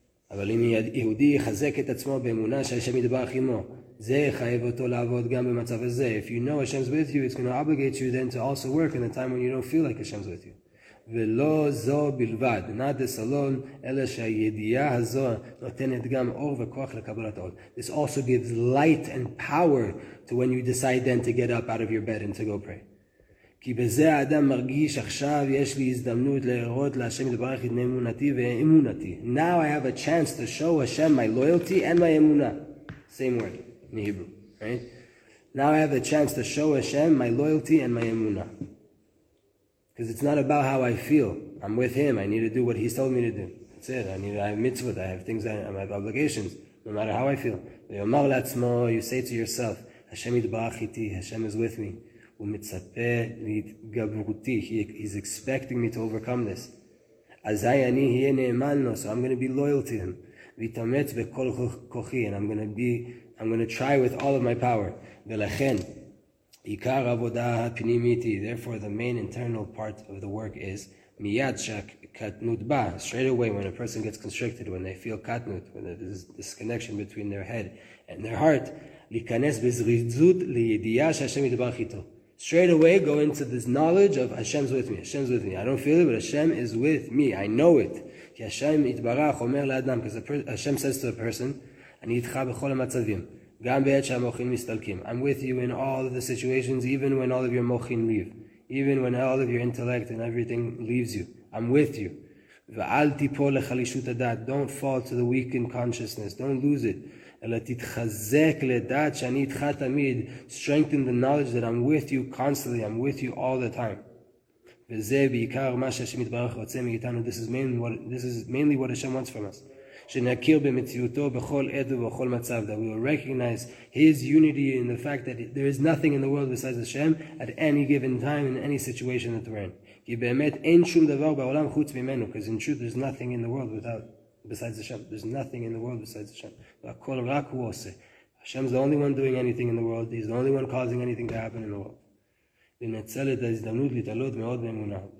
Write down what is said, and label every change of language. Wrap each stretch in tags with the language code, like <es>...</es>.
<he>אבל אם יהודי יחזק את עצמו באמונה שהשם יתברך עמו,</he> <en>if you know Hashem's with you, it's going to obligate you then to also work in a time when you don't feel like Hashem's with you. This also gives light and power to when you decide then to get up out of your bed and to go pray.</en> <he>כי בזה האדם מרגיש עכשיו יש לי הזדמנות להראות להשם יתברך את אמונתי ואמונתי.</he> <en>Now I have a chance to show Hashem my loyalty and my אמונה. Same word in Hebrew, right? Now I have a chance to show Hashem my loyalty and my אמונה. Because it's not about how I feel. I'm with him. I need to do what he's told me to do. That's it. I have mitzvot. I have things. I have obligations. No matter how I feel.</en> <he>ויאמר לעצמו,</he> <en>you say to yourself, Hashem</en> <he>יתברך איתי.</he> <en>Hashem is with me.</en> <he>הוא מצפה להתגברותי.</he> <en>He's expecting me to overcome this.</en> <he>אזי אני אהיה נאמן לו.</he> <en>So I'm going to be loyal to him.</en> <he>ויתאמץ בכל כוחי.</he> <en>And I'm going to try with all of my power.</en> <he>ולכן, עיקר עבודה הפנימית היא.</he> <en>Therefore, the main internal part of the work is,</en> <he>מיד שהקטנות בא.</he> <en>Straight away, when a person gets constricted, when they feel קטנות, when there is this connection between their head and their heart,</en> <he>להיכנס בזריזות לידיעה שהשם יתברך איתו.</he> <en>Straight away, go into this knowledge of Hashem's with me. Hashem's with me. I don't feel it, but Hashem is with me. I know it.</en> <he>כי Hashem יתברך אומר לאדם,</he> <en>because Hashem says to a person,</en> <he>אני איתך בכל המצבים, גם בעת שהמוחין מסתלקים.</he> <en>I'm with you in all of the situations, even when all of your מוחין leave. Even when all of your intellect and everything leaves you. I'm with you.</en> <he>ואל תיפול לחלישות הדעת.</he> <en>Don't fall to the weakened consciousness. Don't lose it.</en> <he>אלא תתחזק לדעת שאני איתך תמיד.</he> <en>Strengthen the knowledge that I'm with you constantly. I'm with you all the time.</en> <he>וזה בעיקר מה שהשם יתברך רוצה מאיתנו.</he> <en>This is mainly what Hashem wants from us.</en> <he>שנכיר במציאותו בכל עת ובכל מצב.</he> <en>That we will recognize his unity in the fact that there is nothing in the world besides Hashem at any given time in any situation that we're in.</en> <he>כי באמת אין שום דבר בעולם חוץ ממנו.</he> <en>Because in truth there's nothing in the world without besides Hashem. There's nothing in the world besides Hashem.</en> <he>והכל רק הוא עושה.</he> <en>Hashem's the only one doing anything in the world. He's the only one causing anything to happen in the world.</en> <he>לנצל את ההזדמנות להתעלות מאוד באמונה.</he>